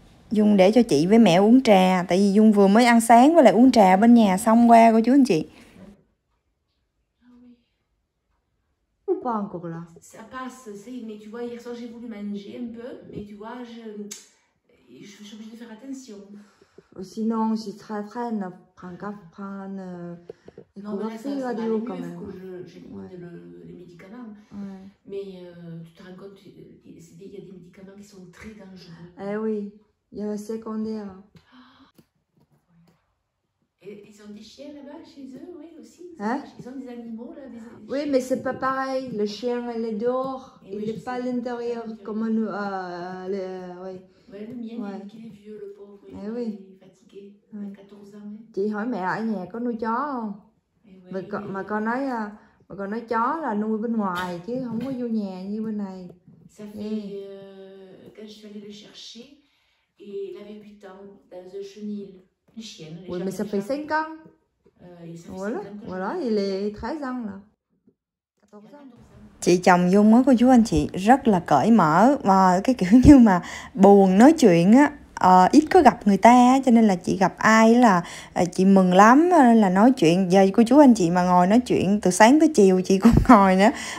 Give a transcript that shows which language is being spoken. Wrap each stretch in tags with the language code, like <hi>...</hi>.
<vi>Dung để cho chị với mẹ uống trà, tại vì Dung vừa mới ăn sáng với lại uống trà bên nhà xong qua cô chú anh chị.</vi> <fr>Ou pas encore là. Ça passe, c'est mais tu vois hier soir j'ai voulu manger un peu, mais tu vois je suis obligée de faire attention. Sinon, si tu as faim, prends un café, prends une conversation radio quand même. Non, mais là, j'ai pris les médicaments. Ouais. Mais tu te rends compte, il y a des médicaments qui sont très dangereux. Eh oui. Il y a le secondaire. Et ils ont des chiens là-bas chez eux, oui, aussi. Hein? Ils ont des animaux là. Des oui, chiens. Mais c'est pas pareil. Le chien, il est dehors. Et il n'est pas à l'intérieur. Comme nous. Le, oui. Ouais, le mien, ouais. Il est vieux, le pauvre. Eh oui. Il est fatigué. Oui. Il a 14 ans.</fr> <vi>Chị hỏi mẹ ở nhà có nuôi chó không?</vi> <fr>Ouais, mais, mais...</fr> <vi>Mà con nói mà con nói chó là nuôi bên ngoài chứ không có vô nhà như bên này.</vi> <fr>Ça fait, yeah. Quand je suis allée le chercher. Et il avait 8 ans dans un chenil, une chienne. Oui, mais ça fait 5 ans. Voilà, voilà, il est 13 ans là.</fr> <vi>Chị chồng Dung á, cô chú anh chị, rất là cởi mở. Và cái kiểu như mà buồn nói chuyện á, ít có gặp người ta á, cho nên là chị gặp ai là chị mừng lắm, nên là nói chuyện giờ cô chú anh chị mà ngồi nói chuyện từ sáng tới chiều chị cũng ngồi nữa.</vi>